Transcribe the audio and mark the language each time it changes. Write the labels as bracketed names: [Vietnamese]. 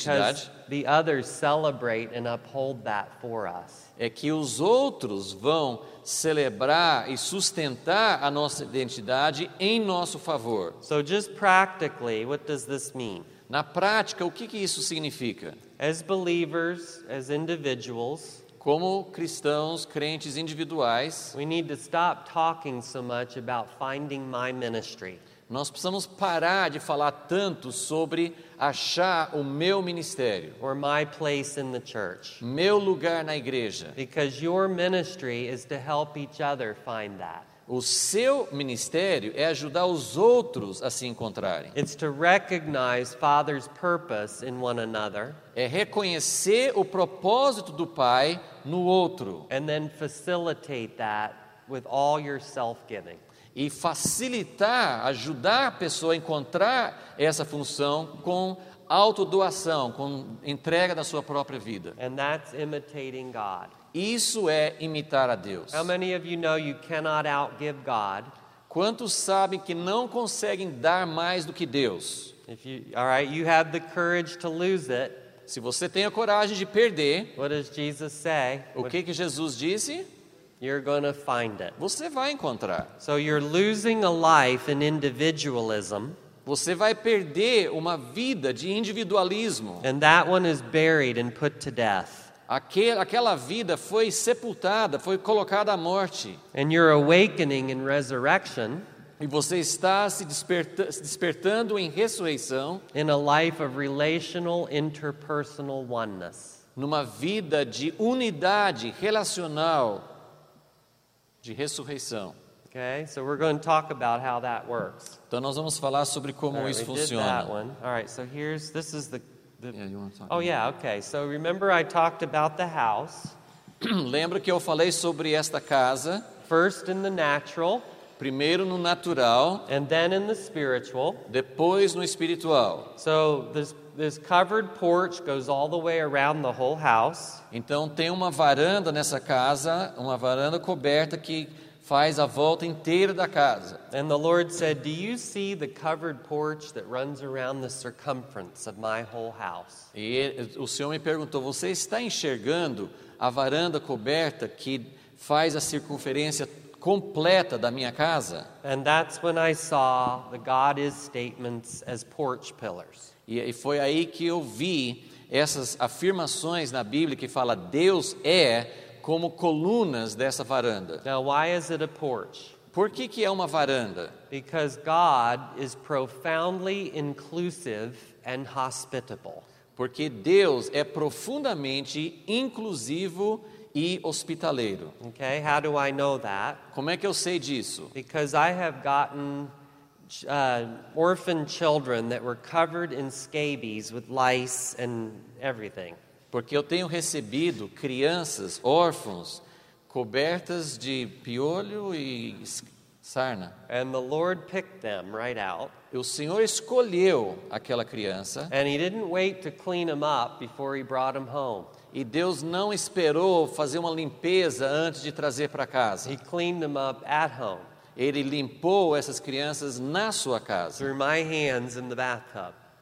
[English] Because the others celebrate and uphold that for us. [Portuguese] É que os outros vão celebrar e sustentar a nossa identidade em nosso favor. [English] So just practically, what does this mean? [Portuguese] Na prática, o que isso significa? [English] As believers, as individuals. [Portuguese] Como cristãos, crentes individuais, [English] we need to stop talking so much about finding my ministry. [Portuguese] Nós precisamos parar de falar tanto sobre achar o meu ministério, [English] or my place in the church. [Portuguese] Meu lugar na igreja. [English] Because your ministry is to help each other find that. [Portuguese] O seu ministério é ajudar os outros a se encontrarem. [English] It's to recognize Father's purpose in one another. [Portuguese] É reconhecer o propósito do Pai no outro. [English] And then facilitate that with all your self-giving. [Portuguese] E facilitar, ajudar a pessoa a encontrar essa função com autodoação, com entrega da sua própria vida. [English] And that's imitating God. [Portuguese] Isso é imitar a Deus. [English] How many of you know you cannot outgive God? [Portuguese] Quantos sabem que não conseguem dar mais do que Deus? [English] If you, all right, you have the courage to lose it. [Portuguese] Se você tem a coragem de perder, [English] what does Jesus say? [Portuguese] O que Jesus disse? [English] You're going to find it. [Portuguese] Você vai encontrar. [English] So you're losing a life in individualism. [Portuguese] Você vai perder uma vida de individualismo. [English] And that one is buried and put to death. [Portuguese] Aquela vida foi sepultada, foi colocada à morte. [English] And you're awakening in resurrection. [Portuguese] E você está se despertando em ressurreição. [English] In a life of relational interpersonal oneness. [Portuguese] Numa vida de unidade relacional de ressurreição. [English] Okay, so we're going to talk about how that works. [Portuguese] Então nós vamos falar sobre como [English] right, [Portuguese] isso funciona. [English] All right, so here's this is the Yeah, you want to talk oh about yeah, that? Okay. So remember, I talked about the house. [Portuguese] Lembra que eu falei sobre esta casa? [English] First in the natural. [Portuguese] Primeiro no natural. [English] And then in the spiritual. [Portuguese] Depois no espiritual. [English] So this covered porch goes all the way around the whole house. [Portuguese] Então tem uma varanda nessa casa, uma varanda coberta que faz a volta inteira da casa. [English] And the Lord said, "Do you see the covered porch that runs around the circumference of my whole house?" [Portuguese] E o Senhor me perguntou, "Você está enxergando a varanda coberta que faz a circunferência completa da minha casa?" [English] And that's when I saw the God is statements as porch pillars. [Portuguese] E foi aí que eu vi essas afirmações na Bíblia que fala Deus é como colunas dessa varanda. [English] Now, why is it a porch? [Portuguese] Por que é uma varanda? [English] Because God is profoundly inclusive and hospitable. [Portuguese] Porque Deus é profundamente inclusivo e hospitaleiro. [English] Okay, how do I know that? [Portuguese] Como é que eu sei disso? [English] Because I have gotten orphan children that were covered in scabies with lice and everything. [Portuguese] Porque eu tenho recebido crianças, órfãos, cobertas de piolho e sarna. [English] And the Lord picked them right out. [Portuguese] O Senhor escolheu aquela criança. [English] And he didn't wait to clean them up before he brought them home. [Portuguese] E Deus não esperou fazer uma limpeza antes de trazer para casa. [English] He cleaned them up at home. [Portuguese] Ele limpou essas crianças na sua casa. [English] Through my hands in the bathtub.